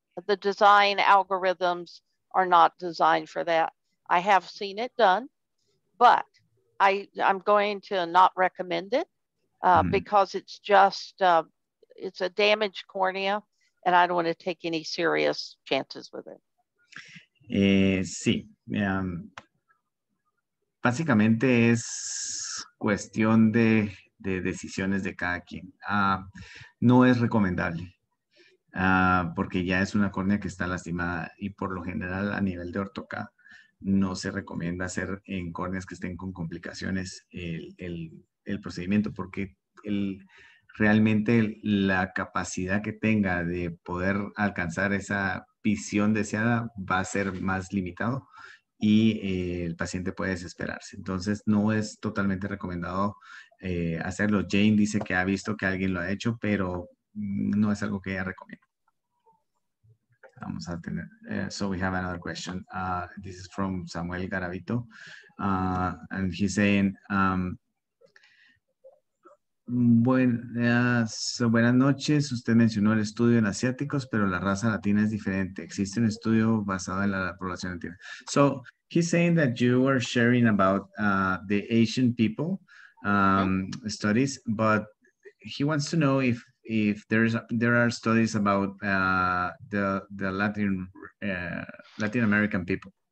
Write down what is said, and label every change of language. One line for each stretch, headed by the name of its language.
English: The design algorithms are not designed for that. I have seen it done, but I'm going to not recommend it because it's just, it's a damaged cornea and I don't want to take any serious chances with it.
Spanish: Sí. Básicamente es cuestión de decisiones de cada quien. No es recomendable porque ya es una cornea que está lastimada y por lo general a nivel de ortoca. No se recomienda hacer en córneas que estén con complicaciones el procedimiento porque realmente la capacidad que tenga de poder alcanzar esa visión deseada va a ser más limitado y el paciente puede desesperarse. Entonces, no es totalmente recomendado hacerlo. Jane dice que ha visto que alguien lo ha hecho, pero no es algo que ella recomienda. Vamos a tener,
English: so we have another question. This is from Samuel Garavito. And he's saying,
Spanish: buenas noches. Usted mencionó el estudio en asiáticos, pero la raza latina es diferente. Existe un estudio basado en la población latina.
English: So he's saying that you were sharing about the Asian people studies, but he wants to know if there are studies about the Latin American people.